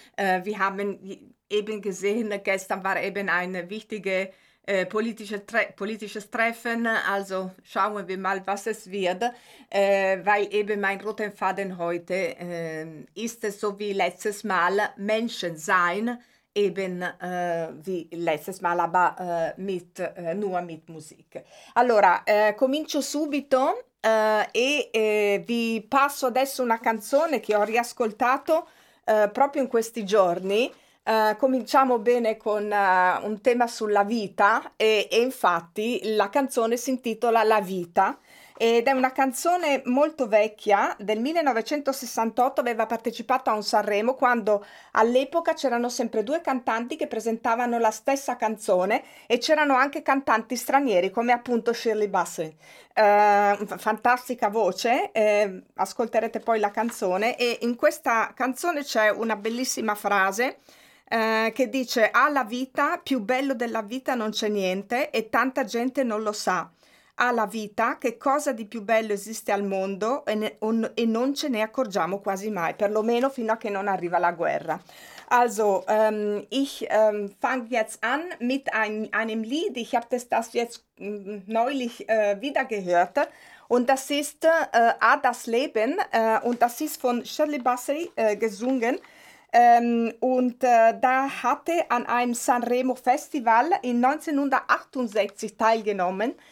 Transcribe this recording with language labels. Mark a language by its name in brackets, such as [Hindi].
[German] Wir haben eben gesehen, gestern war eben ein wichtiges politisches Treffen, also schauen wir mal, was es wird, weil eben mein roter Faden heute ist es so wie letztes Mal Menschen sein, eben wie letztes Mal, aber nur mit Musik. [Italian] Allora, comincio subito e vi passo adesso una canzone che ho riascoltato proprio in questi giorni. Cominciamo bene con un tema sulla vita e infatti la canzone si intitola La vita. Ed è una canzone molto vecchia, del 1968, aveva partecipato a un Sanremo, quando all'epoca c'erano sempre due cantanti che presentavano la stessa canzone e c'erano anche cantanti stranieri, come appunto Shirley Bassey. Fantastica voce, ascolterete poi la canzone, e in questa canzone c'è una bellissima frase che dice: «Alla vita, più bello della vita non c'è niente e tanta gente non lo sa». Alla vita, che cosa di più bello esiste al mondo e non ce ne accorgiamo quasi mai, perlomeno fino a che non arriva la guerra. [German] Also, ich fange jetzt an mit einem Lied, ich habe das jetzt neulich wieder gehört, und das ist Das Leben, und das ist von Shirley Bassey gesungen, und da hatte an einem Sanremo Festival in 1968 teilgenommen.